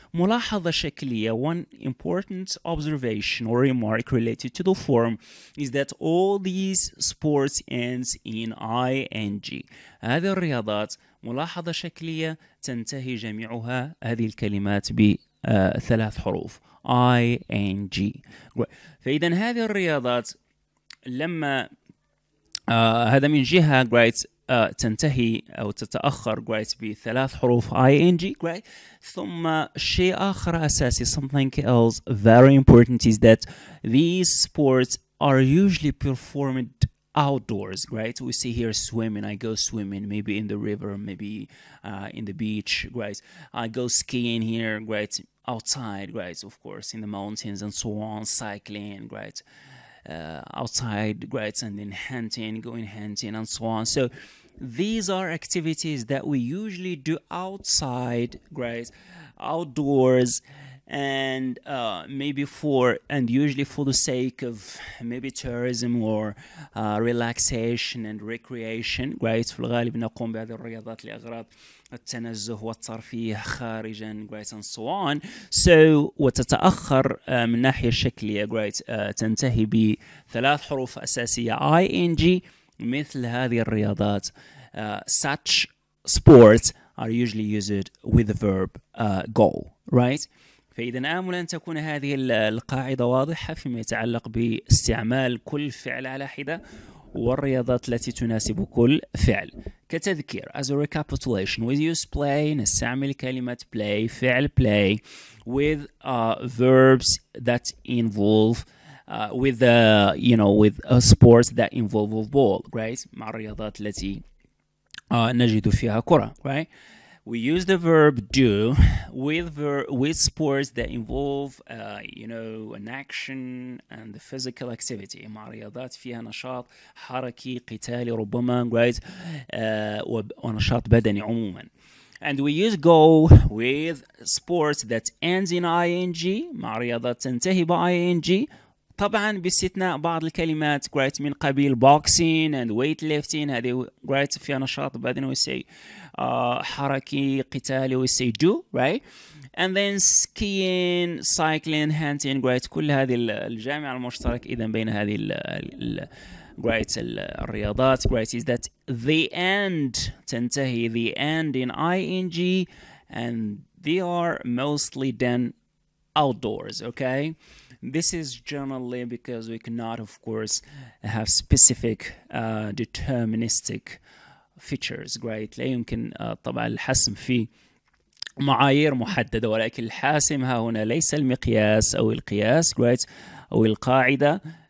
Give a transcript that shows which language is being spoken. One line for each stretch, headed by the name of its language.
Arabic: ملاحظة شكلية,
English: one important observation or remark related to the form is that all these sports ends in ing.
Arabic: هذه الرياضات ملاحظة شكلية تنتهي جميعها هذه الكلمات بثلاث حروف ing. فإذا هذه الرياضات لما هذا من جهة right, تنتهي أو تتأخر right, بثلاث حروف ing right. ثم شيء آخر أساسي
English: something else very important is that these sports are usually performed outdoors right. We see here swimming, I go swimming maybe in the river, maybe in the beach right. I go skiing here right, outside right, of course in the mountains and so on, cycling right, outside right, and then hunting, going hunting and so on. So these are activities that we usually do outside right, outdoors, and maybe for and usually for the sake of maybe tourism or relaxation and recreation right.
Arabic: في الغالب نقوم بهذه الرياضات لأغراض التنزه والترفيه خارجا right,
English: and so on.
Arabic: So وتتأخر من ناحية شكلية right, تنتهي بثلاث حروف أساسية ing مثل هذه الرياضات.
English: Such sports are usually used with the verb go right.
Arabic: فإذا آمل أن تكون هذه القاعدة واضحة فيما يتعلق باستعمال كل فعل على حدة والرياضات التي تناسب كل فعل. كتذكير,
English: as a recapitulation, we use play,
Arabic: نستعمل كلمة
English: play,
Arabic: فعل
English: play, with verbs that involve, with you know, with a sports that involve a ball, right?
Arabic: مع الرياضات التي نجد فيها كرة, right?
English: We use the verb do with sports that involve, you know, an action and the physical activity.
Arabic: مع رياضات فيها نشاط حركي قتالي ربما, right? ونشاط بدني عموما.
English: And we use go with sports that ends in ing.
Arabic: مع رياضات تنتهي بing. طبعا باستثناء بعض الكلمات right, من قبيل
English: boxing and weightlifting.
Arabic: هذه right, فيها نشاط بدني وسي حركي قتالي وسي do right.
English: And then skiing, cycling, hunting right,
Arabic: كل هذه الجامعة المشترك إذا بين هذه الـ
English: right,
Arabic: الرياضات
English: right, is that the end
Arabic: تنتهي
English: the end in ing and they are mostly done outdoors. Okay. This is generally because we cannot, of course, have specific deterministic features, right?
Arabic: لا يمكن طبعا الحسم في معايير محددة, ولكن الحاسم ها هنا ليس المقياس أو القياس, right? أو القاعدة.